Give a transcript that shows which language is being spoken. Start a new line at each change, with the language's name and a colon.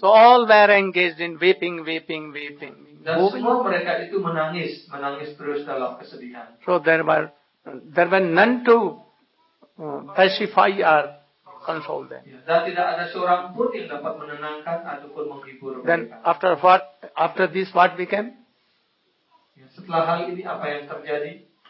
English: So all were engaged in weeping.
Indonesian: Dan semua mereka itu menangis terus dalam kesedihan.
English: So there were none to pacify or console them.
Indonesian: Dan tidak ada seorang pun yang dapat menenangkan ataupun menghibur mereka.
English: Then after this what became?
Indonesian: Setelah hal ini apa yang terjadi?